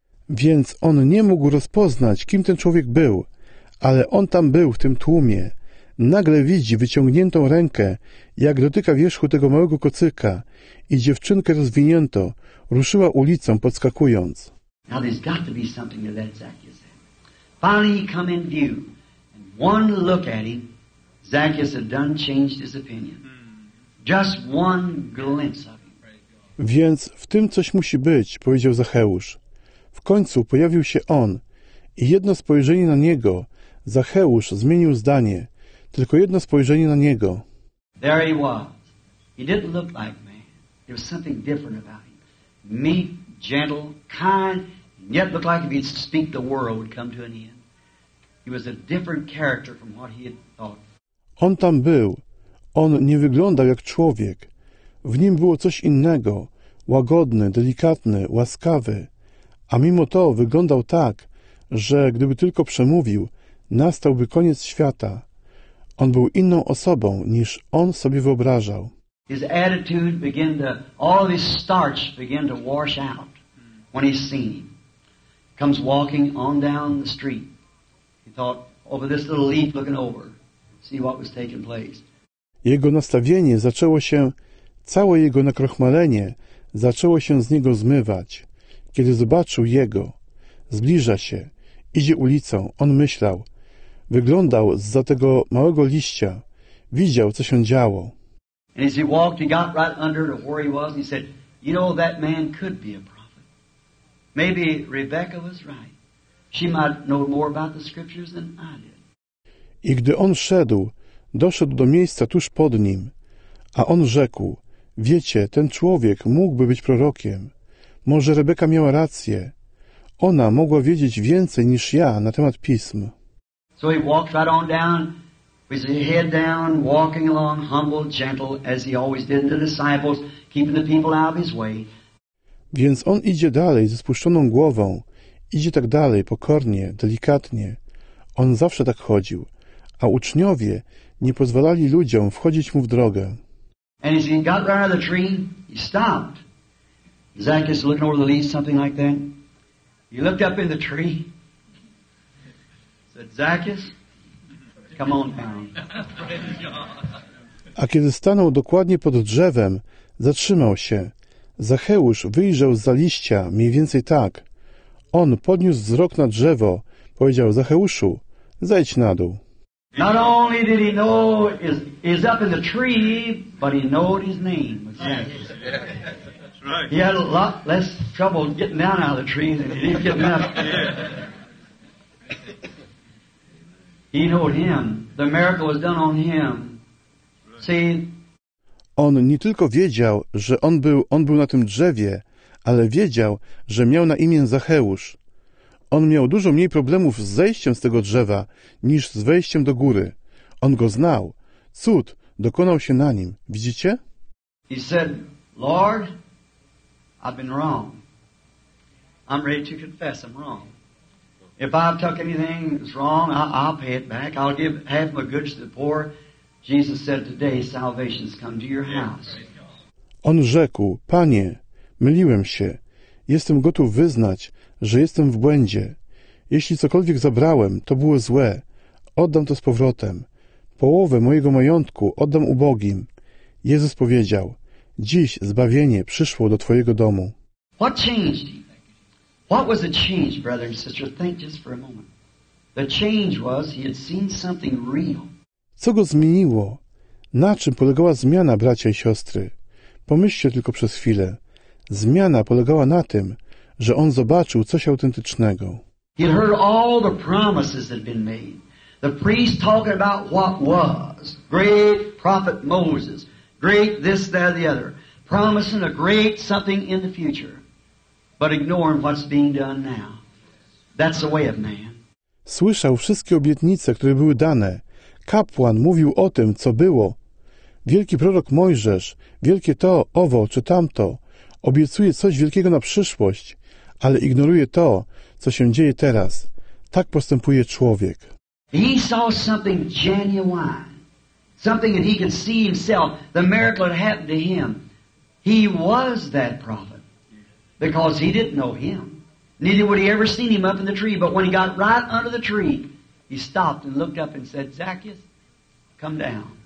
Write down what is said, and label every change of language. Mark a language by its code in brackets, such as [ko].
[pl] Więc on nie mógł rozpoznać, kim ten człowiek był, ale on tam był, w tym tłumie. Nagle widzi wyciągniętą rękę, jak dotyka wierzchu tego małego kocyka i dziewczynkę rozwinięto, ruszyła ulicą, podskakując. [en] Now there's got to be something to let Zacchaeus have. Finally he come in view. And one look at him, Zacchaeus had done changed his opinion. Just one glimpse of him. [pl] Więc w tym coś musi być, powiedział Zacheusz. W końcu pojawił się on i jedno spojrzenie na niego, Zacheusz zmienił zdanie, tylko jedno spojrzenie na niego. [en] There he was. He didn't look like man. There was something different about him. Meek, gentle, kind, and yet looked like if he'd speak the world would come to an end. He was a different character from what he had thought. [pl] On tam był. On nie wyglądał jak człowiek. W nim było coś innego. Łagodny, delikatny, łaskawy. A mimo to wyglądał tak, że gdyby tylko przemówił, nastałby koniec świata. On był inną osobą, niż on sobie wyobrażał. [en] His attitude began to, all of his starch began to wash out when he seen him. Comes walking on down the street. He thought, over this little leaf looking over, see what was taking place. [pl] Jego nastawienie zaczęło się, całe jego nakrochmalenie zaczęło się z niego zmywać. Kiedy zobaczył jego, zbliża się, idzie ulicą, on myślał. Wyglądał zza tego małego liścia. Widział, co się działo. [en] And as he walked, he got right under to where he was and he said, you know, that man could be a prophet. Maybe Rebecca was right. She might know more about the scriptures than I did. [pl] I gdy on szedł, doszedł do miejsca tuż pod nim, a on rzekł, wiecie, ten człowiek mógłby być prorokiem. Może Rebeka miała rację. Ona mogła wiedzieć więcej niż ja na temat pism. [en] So he walked right on down, with his head down, walking along, humble, gentle, as he always did to the disciples, keeping the people out of his way. [pl] Więc on idzie dalej ze spuszczoną głową. Idzie tak dalej, pokornie, delikatnie. On zawsze tak chodził. A uczniowie nie pozwalali ludziom wchodzić mu w drogę. [en] And as he got right out of the tree, he stopped. Zacchaeus looking over the leaves, something like that. He looked up in the tree. Said, Zacchaeus, come on down. [pl] A kiedy stanął dokładnie pod drzewem, zatrzymał się. Zacheusz wyjrzał zza liścia, mniej więcej tak. On podniósł wzrok na drzewo, powiedział, Zacheuszu, zejdź na dół. [en] Not only did he know is up in the tree, but he knew his name was Zacchaeus. Right. He had a lot less trouble getting down out of the tree than he did getting up. He knew him. The miracle was done on him. See? [pl] On nie tylko wiedział, że on był na tym drzewie, ale wiedział, że miał na imię Zacheusz. On miał dużo mniej problemów z zejściem z tego drzewa niż z wejściem do góry. On go znał. Cud dokonał się na nim. Widzicie? [en] He said, Lord, I've been wrong. I'm ready to confess I'm wrong. If I've took anything that's wrong, I'll pay it back. I'll give half my goods to the poor. Jesus said, today salvation's come to your house. [pl] On rzekł, Panie, myliłem się. Jestem gotów wyznać, że jestem w błędzie. Jeśli cokolwiek zabrałem, to było złe. Oddam to z powrotem. Połowę mojego majątku oddam ubogim. Jezus powiedział, dziś zbawienie przyszło do twojego domu. [en] What changed? What was the change, brother and sister? Think just for a moment. The change was he had seen something real. [pl] Co go zmieniło? Na czym polegała zmiana, bracia i siostry? Pomyślcie tylko przez chwilę. Zmiana polegała na tym, że on zobaczył coś autentycznego. [en] He'd heard all the promises that had been made. The priest talking about what was. Great prophet Moses. Great this, that, or the other. Promising a great something in the future. But ignoring what's being done now. That's the way of man. [pl] Słyszał wszystkie obietnice, które były dane. Kapłan mówił o tym, co było. Wielki prorok Mojżesz, wielkie to, owo czy tamto, obiecuje coś wielkiego na przyszłość, ale ignoruje to, co się dzieje teraz. Tak postępuje człowiek. [en] He saw something genuine, something that he could see himself, the miracle that happened to him. He was that prophet, because he didn't know him. Neither would he ever seen him up in the tree, but when he got right under the tree, he stopped and looked up and said, Zacchaeus, come down.